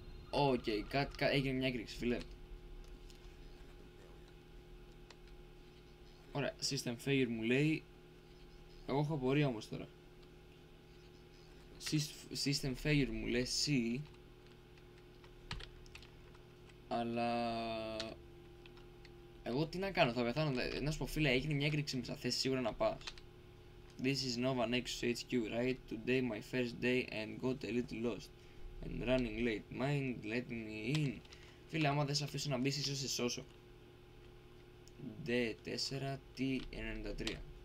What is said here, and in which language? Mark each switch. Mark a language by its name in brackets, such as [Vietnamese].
[Greek] Οκ, κάτι έγινε μια έκρηξη, φίλε. Ωραία, [English] system failure [Greek] μου λέει. Εγώ έχω απορία όμως τώρα. [English] System failure [Greek] μου λέει C. Αλλά... εγώ τι να κάνω, θα πεθάνω. Να σου πω φίλε, έγινε μια έκρηξη μέσα, θες σίγουρα να πας. [English] This is Nova Nexus HQ, right? Today my first day and got a little lost. And running late, mind let me in. [Greek] Φίλε, άμα δεν σε αφήσω να μπεις, ίσως σε σώσω. D4T93.